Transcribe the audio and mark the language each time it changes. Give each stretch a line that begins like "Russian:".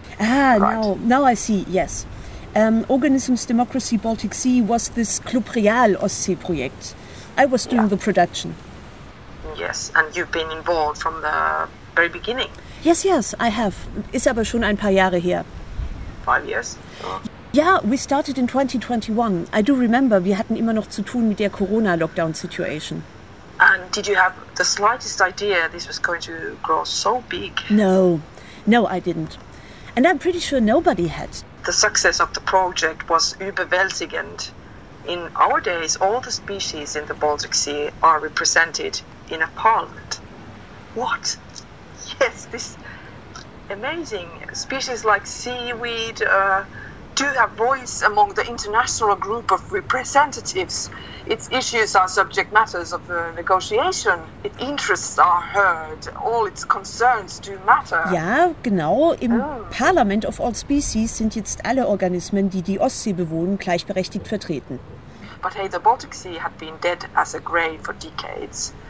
English: Ah, right. Now I see, yes. Organisms Democracy Baltic Sea was this Club Real Ostsee project. I was doing the production. Yes, and you've been involved from the very beginning. Yes, yes, I have.
German: Ist aber schon ein paar Jahre her.
English: 5 years? Oh. Yeah, we started in 2021. I do remember,
German: wir hatten immer noch zu tun mit der Corona-Lockdown-Situation.
English: And did you have the slightest idea this was going to grow so big? No, no, I didn't. And I'm pretty sure nobody had. The success of the project was überwältigend. In our days, all the species in the Baltic Sea are represented in a parliament. What? Yes, this amazing species like seaweed do have voice among the international group of representatives. Its issues are subject matters of negotiation. Its interests are heard. All its concerns do matter.
German: Ja, genau. Im Parlament
English: of all species
German: sind jetzt alle Organismen, die die Ostsee bewohnen, gleichberechtigt vertreten.
English: But hey, the Baltic Sea had been dead as a grave for decades.